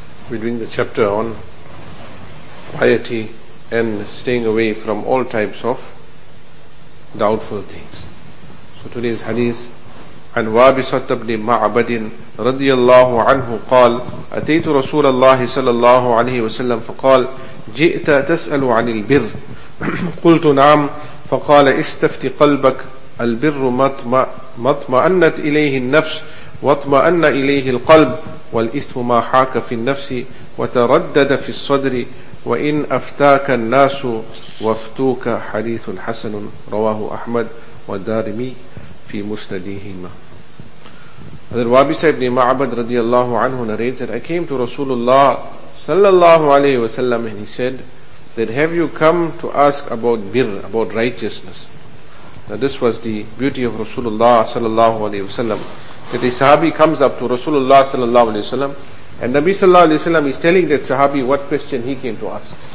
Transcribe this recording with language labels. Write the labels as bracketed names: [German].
[English] We're doing the chapter on piety and staying away from all types of doubtful things. So today's hadith, [Arabic] عن وابسط بن معبد رضي الله عنه قال أتيت رسول الله صلى الله عليه وسلم فقال جئت تسأل عن البر قلت نعم فقال استفت قلبك البر مطمئنة إليه النفس واطمأن إليه القلب والإثم ما حاك في النفس وتردد في الصدر وإن أفتاك الناس وافتوك حديث حسن رواه أحمد والدارمي في مسنديهما. [English] Hazrat Wabisa ibn Ma'bad radiallahu anhu narrates that I came to Rasulullah sallallahu alayhi wa sallam and he said that have you come to ask about birr, about righteousness? Now this was the beauty of Rasulullah sallallahu alayhi wa sallam, that the sahabi comes up to Rasulullah sallallahu alayhi wa sallam and Nabi sallallahu alayhi wa sallam is telling that sahabi what question he came to ask.